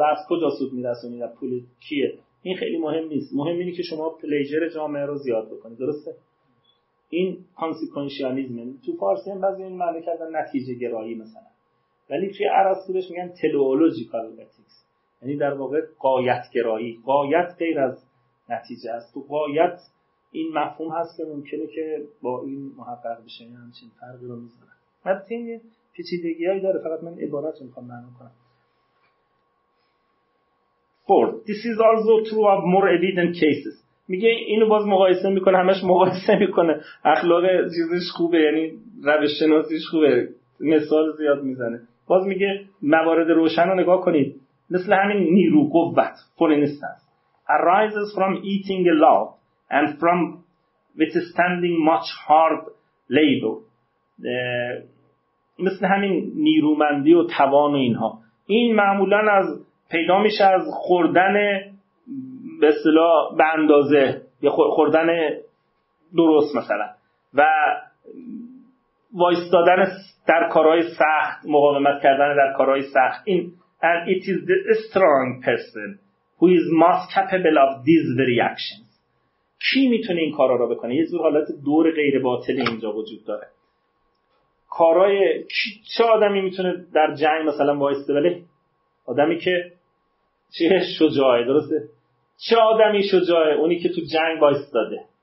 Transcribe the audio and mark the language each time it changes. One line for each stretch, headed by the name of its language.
Persian: حالا از کجا سود میرسونید، پول کیه، این خیلی مهم نیست، مهم اینه که شما پلیجر جامعه رو زیاد بکنید، درسته؟ این کانسیکوئنسیالیسم تو فارسی هم بعضی این معنی کردن نتیجه گرایی مثلا، ولی توی ارسطو بهش میگن تلئولوژیکال اتیکس، یعنی در واقع غایت گرایی. غایت غیر از نتیجه است، تو غایت این مفهوم هست که ممکنه که با این محقق بشه، این همچین فرقی رو میذاره. بعد این یه پیچیدگی هایی داره، فقط من عبارت رو میخوام معنی کنم.
English: Fourth, this is also true of more evident cases.
Persian: میگه اینو باز مقایسه میکنه، همش مقایسه میکنه، اخلاق چیزش خوبه، یعنی روش شناسیش خوبه، مثال زیاد میزنه. باز میگه موارد روشن رو نگاه کنید، مثل همین نیرو قوت فرنستنس
English: arises from eating a lot and from withstanding much hard labor.
Persian: مثل همین نیرومندی و توان و اینها، این معمولا از پیدا میشه از خوردن به اصطلاح به اندازه، یا خوردن درست مثلا، و وایستادن در کارهای سخت، مقاومت کردن در کارهای سخت. این
English: and it is the strong person who is most capable of these very actions.
Persian: کی میتونه این کارا رو بکنه؟ یه جور حالت دور غیر باطل اینجا وجود داره. کارای چه آدمی میتونه در جنگ مثلا وایسته؟ ولی آدمی که چه شجاعه، درسته؟ چه آدمی شجاعه؟ اونی که تو جنگ وایستاده.